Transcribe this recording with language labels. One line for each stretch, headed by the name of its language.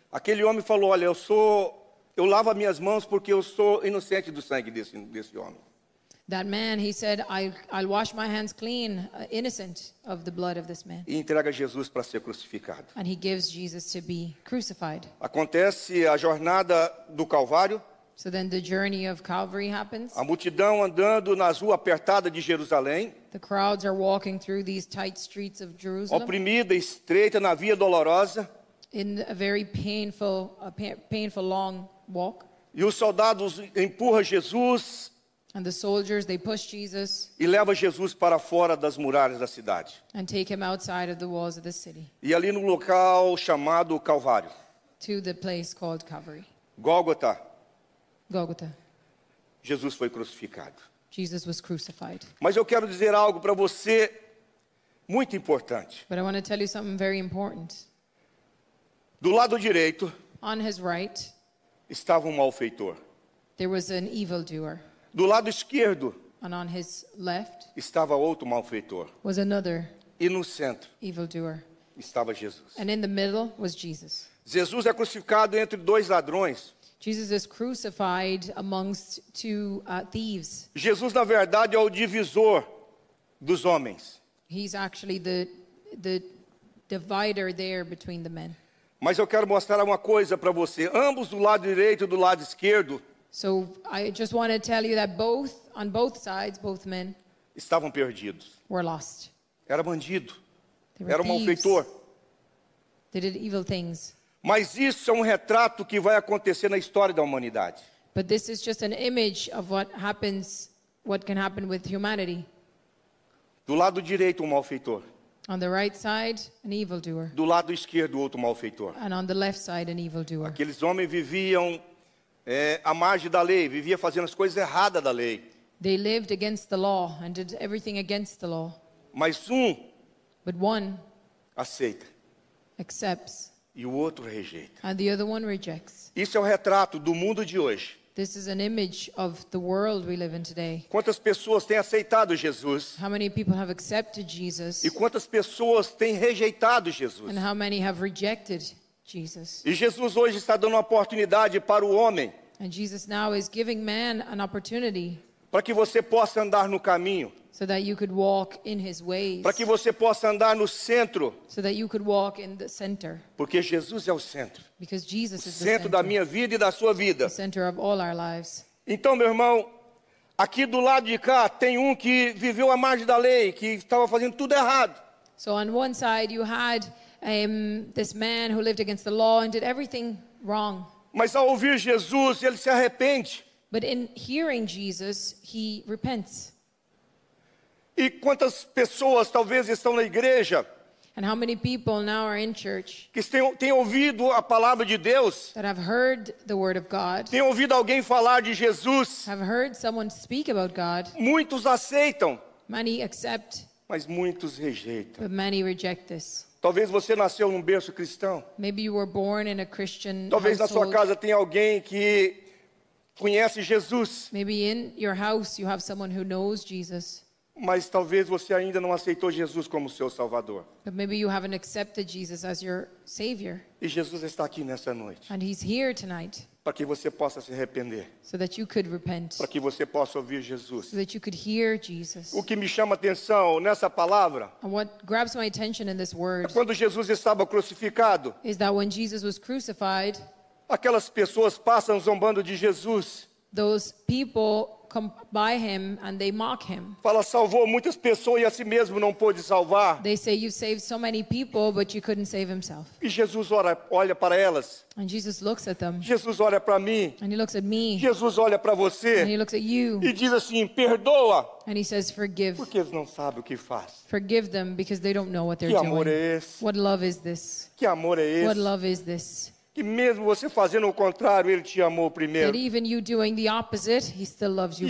Portuguese: Aquele homem falou, olha, eu lavo as minhas mãos porque eu sou inocente do sangue desse homem.
English: That man, he said, I'll wash my hands clean, innocent of the blood of this man.
Portuguese: E entrega Jesus para ser crucificado.
English: And he gives Jesus to be crucified.
Portuguese: Acontece a jornada do Calvário.
English: So then the journey of Calvary happens.
Portuguese: A multidão andando nas ruas apertadas de Jerusalém.
English: The crowds are walking through these tight streets of Jerusalem.
Portuguese: Oprimida, estreita na via dolorosa.
English: In a very painful, painful long walk.
Portuguese: E os soldados empurram Jesus.
English: And the soldiers, they push Jesus.
Portuguese: E leva Jesus para fora das muralhas da cidade.
English: And take him outside of the walls of the city.
Portuguese: E ali no local chamado Calvário.
English: To the place called Calvary.
Portuguese: Gólgota.
English: Gólgota.
Portuguese: Jesus foi crucificado.
English: Jesus was crucified.
Portuguese: Mas eu quero dizer algo para você muito importante.
English: But I want to tell you something very important.
Portuguese: Do lado direito,
English: on his right,
Portuguese: estava um malfeitor.
English: There was an evildoer.
Portuguese: Do lado esquerdo,
English: and on his left,
Portuguese: estava outro malfeitor.
English: Was another.
Portuguese: E no centro,
English: evildoer,
Portuguese: estava Jesus.
English: And in the middle was Jesus.
Portuguese: Jesus é crucificado entre dois ladrões.
English: Jesus is crucified amongst two thieves.
Portuguese: Jesus, na verdade, é o divisor dos homens.
English: He's actually the divider there between the men.
Portuguese: Mas eu quero mostrar uma coisa para você. Ambos do lado direito e do lado esquerdo.
English: So I just want to tell you that both, on both sides, both men.
Portuguese: Estavam perdidos.
English: Were lost.
Portuguese: Era bandido. Era um malfeitor.
English: They did evil things.
Portuguese: Mas isso é um retrato que vai acontecer na história da humanidade.
English: But this is just an image of what happens, what can happen with humanity.
Portuguese: Do lado direito, um malfeitor.
English: On the right side, an evildoer.
Portuguese: Do lado esquerdo, outro malfeitor.
English: And on the left side, an evildoer.
Portuguese: Aqueles homens viviam à margem da lei, viviam fazendo as coisas erradas da lei.
English: They lived against the law and did everything against the law.
Portuguese: Mas um.
English: But one.
Portuguese: Aceita.
English: Accepts.
Portuguese: E o outro rejeita.
English: And the other one rejects.
Portuguese: Isso é o retrato do mundo de hoje.
English: This is an image of the world we live in today.
Portuguese: Quantas pessoas têm aceitado Jesus?
English: How many people have accepted Jesus?
Portuguese: E quantas pessoas têm rejeitado Jesus?
English: And how many have rejected Jesus?
Portuguese: E Jesus hoje está dando uma oportunidade para o homem.
English: And Jesus now is giving man an opportunity.
Portuguese: Para que você possa andar no caminho.
English: So that you could walk in his ways.
Portuguese: Para que você possa andar no centro.
English: So that you could walk in the center.
Portuguese: Porque Jesus é o centro.
English: Because Jesus is the center.
Portuguese: Centro da minha vida e da sua vida.
English: The center of all our lives.
Portuguese: Então, meu irmão, aqui do lado de cá tem um que viveu à margem da lei, que estava fazendo tudo errado.
English: So on one side you had this man who lived against the law and did everything wrong.
Portuguese: Mas ao ouvir Jesus, ele se arrepende.
English: But in hearing Jesus, he repents.
Portuguese: E quantas pessoas talvez estão na igreja?
English: And how many people now are in church?
Portuguese: Que têm ouvido a palavra de Deus?
English: That have heard the word of God.
Portuguese: Têm ouvido alguém falar de Jesus?
English: Have heard someone speak about God.
Portuguese: Muitos aceitam.
English: Many accept.
Portuguese: Mas muitos rejeitam.
English: But many reject this.
Portuguese: Talvez você nasceu num berço cristão.
English: Maybe you were born in a Christian
Portuguese: talvez
English: household.
Portuguese: Na sua casa tenha alguém que conhece Jesus.
English: Maybe in your house you have someone who knows Jesus.
Portuguese: Mas talvez você ainda não aceitou Jesus como seu Salvador.
English: But maybe you haven't accepted Jesus as your Savior.
Portuguese: E Jesus está aqui nessa noite.
English: And he's here tonight.
Portuguese: Para que você possa se arrepender.
English: So that you could repent.
Portuguese: Para que você possa ouvir Jesus.
English: So that you could hear Jesus.
Portuguese: O que me chama atenção nessa palavra.
English: And what grabs my attention in this word.
Portuguese: É quando Jesus estava crucificado.
English: Is that when Jesus was crucified.
Portuguese: Aquelas pessoas passam zombando de Jesus.
English: Those people come by him and they mock him.
Portuguese: Fala, salvou muitas pessoas e a si mesmo não pôde salvar.
English: They say you saved so many people but you couldn't save himself.
Portuguese: E Jesus olha para elas.
English: And Jesus looks at them.
Portuguese: Jesus olha para mim.
English: And he looks at me.
Portuguese: Jesus olha para você.
English: And he looks at you.
Portuguese: E diz assim, perdoa.
English: And he says forgive.
Portuguese: Porque eles não sabem o que faz.
English: Forgive them because they don't know what they're doing.
Portuguese: Que amor é esse?
English: What love is this?
Portuguese: Que amor é esse?
English: What love is this?
Portuguese: Que mesmo você fazendo o contrário, ele te amou primeiro.
English: That even you doing the opposite, he still loves you